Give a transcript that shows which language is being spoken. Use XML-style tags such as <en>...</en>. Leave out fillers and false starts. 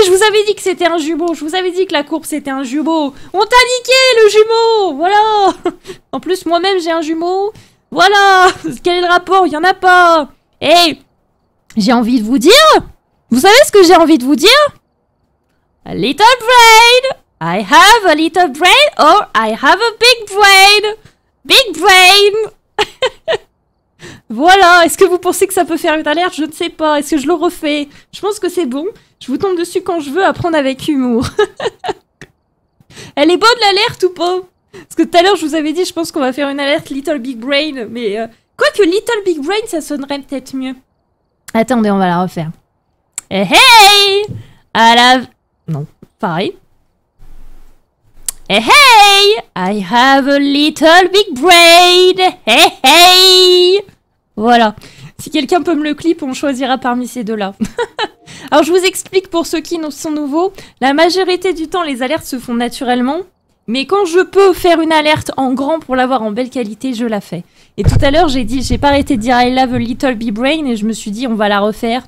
<fr>Je vous avais dit que c'était un jumeau. Je vous avais dit que la courbe c'était un jumeau. On t'a niqué le jumeau. Voilà. En plus, moi-même j'ai un jumeau. Voilà. Quel est le rapport? Il y en a pas. Hey, j'ai envie de vous dire. Vous savez ce que j'ai envie de vous dire?</fr> <en>A little brain. I have a little brain or I have a big brain. Big brain.</en> <fr>Voilà, est-ce que vous pensez que ça peut faire une alerte? Je ne sais pas, est-ce que je le refais? Je pense que c'est bon, je vous tombe dessus quand je veux, apprendre avec humour. Elle est bonne l'alerte ou pas? Parce que tout à l'heure je vous avais dit, je pense qu'on va faire une alerte Little Big Brain, mais... Quoique Little Big Brain, ça sonnerait peut-être mieux. Attendez, on va la refaire. Hey, hey!</fr> <en>I have...</en> <fr>Non, pareil. Hey, hey!</fr> <en>I have a little big brain!</en> <fr>Hey, hey! Voilà. Si quelqu'un peut me le clip, on choisira parmi ces deux-là. Alors, je vous explique pour ceux qui sont nouveaux. La majorité du temps, les alertes se font naturellement. Mais quand je peux faire une alerte en grand pour l'avoir en belle qualité, je la fais. Et tout à l'heure, j'ai pas arrêté de dire</fr> <en>I love a little big brain</en> <fr>et je me suis dit on va la refaire.</fr>